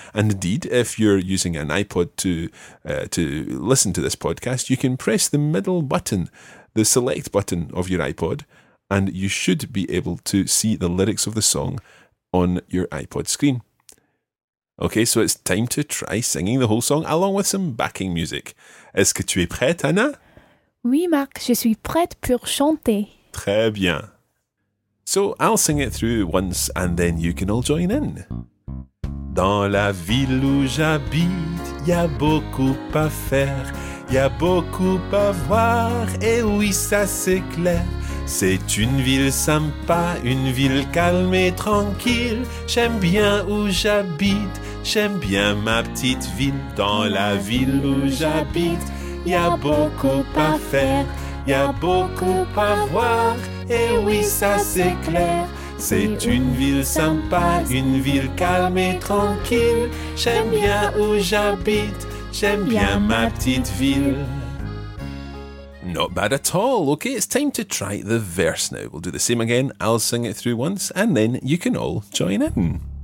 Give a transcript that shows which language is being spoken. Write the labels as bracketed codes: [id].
[en] And indeed, if you're using an iPod to listen to this podcast, you can press the middle button, the select button of your iPod, and you should be able to see the lyrics of the song on your iPod screen. Okay, so it's time to try singing the whole song along with some backing music. [fr] Est-ce que tu es prête, Anna? Oui, Marc, je suis prête pour chanter. Très bien. [en] So, I'll sing it through once and then you can all join in. [fr] Dans la ville où j'habite, il y a beaucoup à faire. Il y a beaucoup à voir, et oui, ça c'est clair. C'est une ville sympa, une ville calme et tranquille. J'aime bien où j'habite, j'aime bien ma petite ville. Dans la ville où j'habite, il y a beaucoup à faire, il y a beaucoup à voir, et oui, ça c'est clair. C'est une ville sympa, une ville calme et tranquille. J'aime bien où j'habite, j'aime bien ma petite ville. [en] Not bad at all. Okay, it's time to try the verse now. We'll do the same again. I'll sing it through once and then you can all join in.